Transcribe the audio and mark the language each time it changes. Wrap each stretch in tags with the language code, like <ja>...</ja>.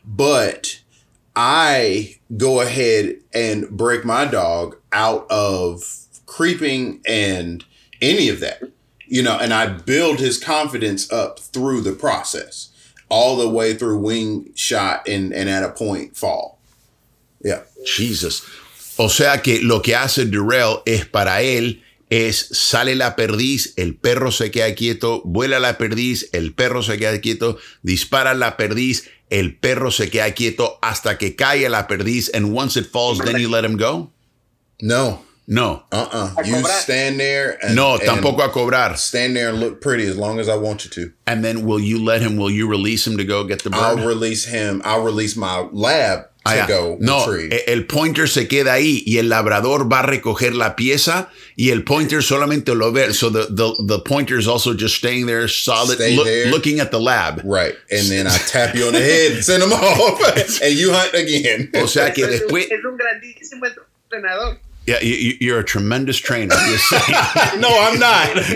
<en>But I go ahead and break my dog out of creeping and any of that, you know, and I build his confidence up through the process, all the way through wing shot and at a point fall. Yeah. Jesus.</en> <es>O sea que lo que hace Durrell es para él, es sale la perdiz, el perro se queda quieto, vuela la perdiz, el perro se queda quieto, dispara la perdiz, el perro se queda quieto hasta que cae la perdiz.</es> <en>And once it falls, then you let him go? No. No. Uh-uh. You stand there.</en> <es>And, no, tampoco a cobrar.</es> <en>Stand there and look pretty as long as I want you to. And then will you let him, will you release him to go get the bird? I'll release him. I'll release my lab.</en> <es>No, el pointer se queda ahí y el labrador va a recoger la pieza y el pointer solamente lo ve.</es> <en>So the pointer is also just staying there, solid, looking at the lab. Right. And then I tap you on the head, send him off, and you hunt again.</en> <es>O sea que después. Es un grandísimo entrenador.</es> <en>Yeah, you're a tremendous trainer. You're saying. No, I'm not.</en>